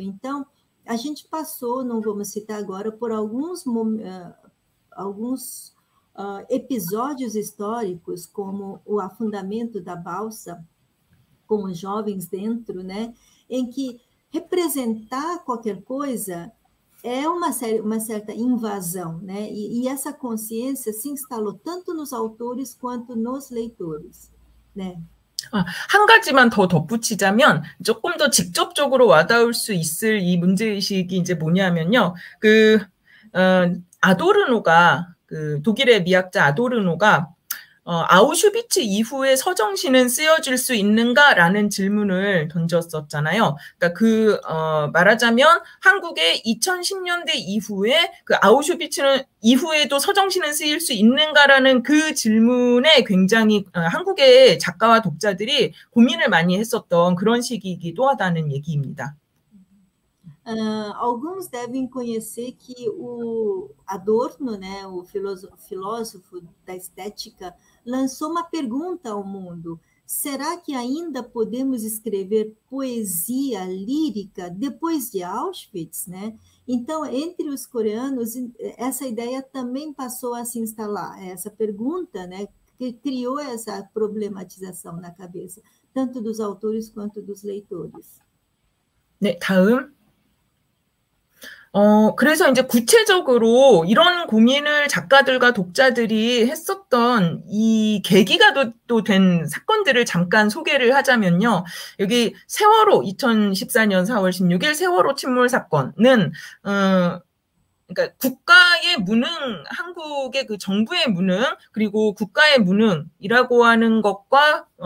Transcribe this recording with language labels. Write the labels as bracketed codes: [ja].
[pt] Então, a gente passou, não vamos citar agora, por alguns episódios históricos, como o afundamento da balsa com os jovens dentro, né? Em que representar qualquer coisa é uma certa invasão, né? E essa consciência se instalou tanto nos autores quanto nos leitores, né? [ko] 한 가지만 더 덧붙이자면 조금 더 직접적으로 와닿을 수 있을 이 문제의식이 이제 뭐냐면요. 아도르노가, 그 독일의 미학자 아도르노가, 아우슈비츠 이후에 서정신은 쓰여질 수 있는가라는 질문을 던졌었잖아요. 그러니까 말하자면 한국의 2010년대 이후에 그 아우슈비츠는 이후에도 서정신은 쓰일 수 있는가라는 그 질문에 굉장히 한국의 작가와 독자들이 고민을 많이 했었던 그런 시기이기도 하다는 얘기입니다. [pt] Alguns devem conhecer que o Adorno, né, o filósofo da estética, lançou uma pergunta ao mundo: será que ainda podemos escrever poesia lírica depois de Auschwitz, né? Então, entre os coreanos, essa ideia também passou a se instalar, essa pergunta, né, que criou essa problematização na cabeça, tanto dos autores quanto dos leitores. [ko] 네, 다음. 그래서 이제 구체적으로 이런 고민을 작가들과 독자들이 했었던 이 계기가 또된 사건들을 잠깐 소개를 하자면요. 여기 세월호 2014년 4월 16일 세월호 침몰 사건은 그러니까 국가의 무능, 한국의 그 정부의 무능, 그리고 국가의 무능이라고 하는 것과